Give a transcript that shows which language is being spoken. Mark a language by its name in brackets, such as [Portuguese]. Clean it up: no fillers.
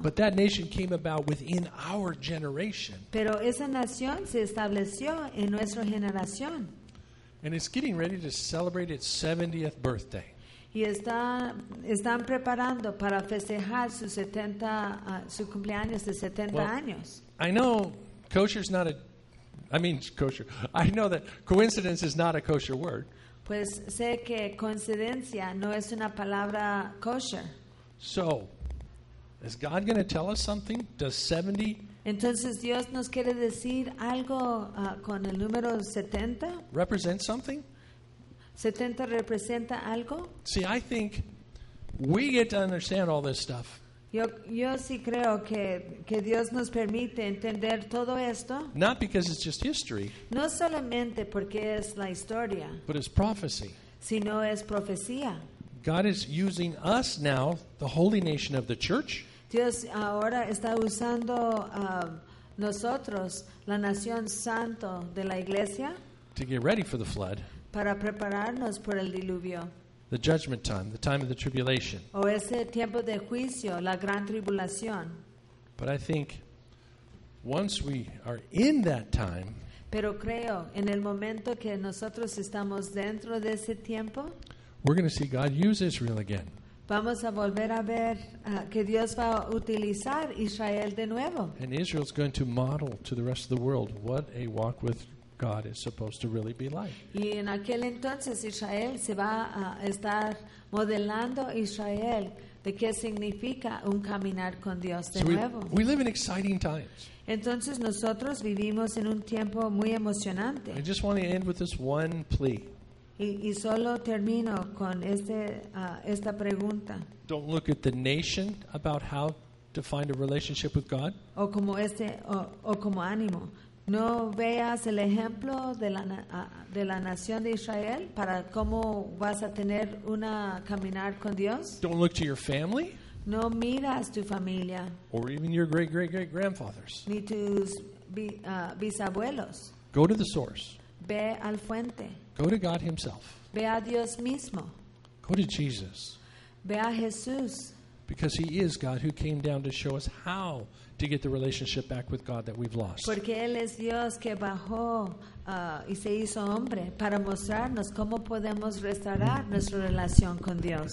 [English] But that nation came about within our generation. [Spanish] Pero esa nación se estableció en nuestra generación. [English] And it's getting ready to celebrate its 70th birthday. [Spanish] Y están preparando para festejar su cumpleaños de 70 años. [English] I know that coincidence is not a kosher word. [Spanish] Pues sé que coincidencia no es una palabra kosher. [English] So, is God going to tell us something? Does 70? [Spanish] Entonces Dios nos quiere decir algo con el número 70? [English] Represent something? [Spanish] 70 representa algo? [English] See, I think we get to understand all this stuff. [Spanish] Yo sí creo que Dios nos permite entender todo esto. [English] Not because it's just history. [Spanish] No solamente porque es la historia. [English] But it's prophecy. [Spanish] Sino es profecía. [English] God is using us now, the holy nation of the church. [Spanish] Dios ahora está usando nosotros, la nación santo de la iglesia. [English] To get ready for the flood. [Spanish] Para prepararnos por el diluvio. [English] The judgment time, the time of the tribulation. [Spanish] O ese tiempo de juicio, la gran tribulación. [English] But I think once we are in that time, [Spanish] pero creo en el momento que nosotros estamos dentro de ese tiempo, [English] we're going to see God use Israel again. [Spanish] Vamos a volver a ver que Dios va a utilizar Israel de nuevo. [English] And Israel's going to model to the rest of the world what a walk with God is supposed to really be like. [Spanish] Y en aquel entonces Israel se va a estar modelando Israel de qué significa un caminar con Dios de [English] so [Spanish] nuevo. [English] We live in exciting times. [Spanish] Entonces nosotros vivimos en un tiempo muy emocionante. [English] I just want to end with this one plea. [Spanish] Y solo termino con esta pregunta. [English] Don't look at the nation about how to find a relationship with God. [Spanish] O como ánimo. No veas el ejemplo de la nación de Israel para cómo vas a tener una caminar con Dios. [English] Don't look to your family. [Spanish] No miras tu familia. [English] Or even your great great great grandfathers. [Spanish] Ni tus bisabuelos. [English] Go to the source. [Spanish] Ve al fuente. [English] Go to God Himself. [Spanish] Ve a Dios mismo. [English] Go to Jesus. [Spanish] Ve a Jesús. [English] Because He is God who came down to show us how to get the relationship back with God that we've lost. [Spanish] Porque Él es Dios que bajó y se hizo hombre para mostrarnos cómo podemos restaurar nuestra relación con Dios.